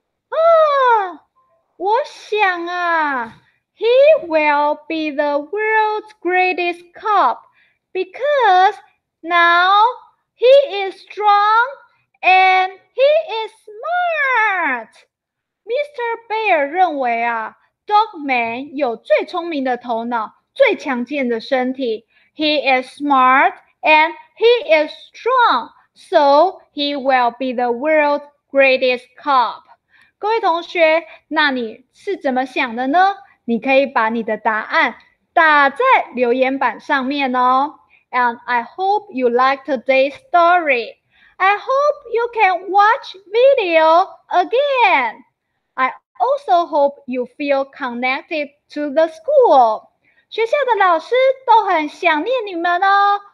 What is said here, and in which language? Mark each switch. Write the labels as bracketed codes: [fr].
[zh] 啊，我想啊 [en] ，He will be the world's greatest cop because now he is strong and he is smart. [zh] Mr. Bear 认为啊 ，Dogman 有最聪明的头脑，最强健的身体。 [en] He is smart and he is strong, so he will be the world's greatest cop. [zh] 各位同学，那你是怎么想的呢？你可以把你的答案打在留言板上面哦。 [en] And I hope you like today's story. I hope you can watch video again. I also hope you feel connected to the school. [zh] 学校的老师都很想念你们哦。